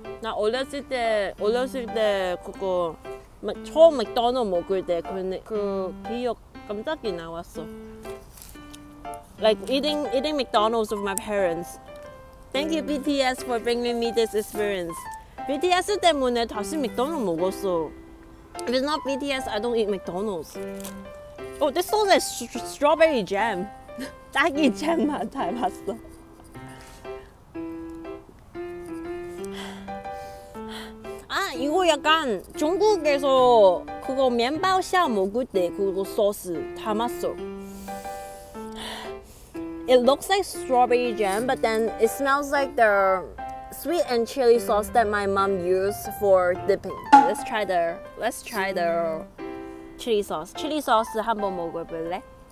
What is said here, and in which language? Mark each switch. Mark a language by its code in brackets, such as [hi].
[ko] 나 어렸을 때 그거 처음 맥도날드 먹을 때 그 기억 깜짝이 나왔어. [en] Like eating McDonald's with my parents. Thank you BTS for bringing me this experience. [ko] BTS 때문에 다시 맥도날드 먹었어. [en] If it's not BTS, I don't eat McDonald's. Oh, this sauce is strawberry jam. [ko] 딸기 잼 맛 다 봤어. 아, 이거 약간 중국에서 그거 면바샤 먹을 때 그거 소스 담았어. [en] It looks like strawberry jam, but then it smells like the sweet and chili sauce that my mom used for dipping. Let's try the chili sauce. [ko] Chili sauce 한번 먹어볼래?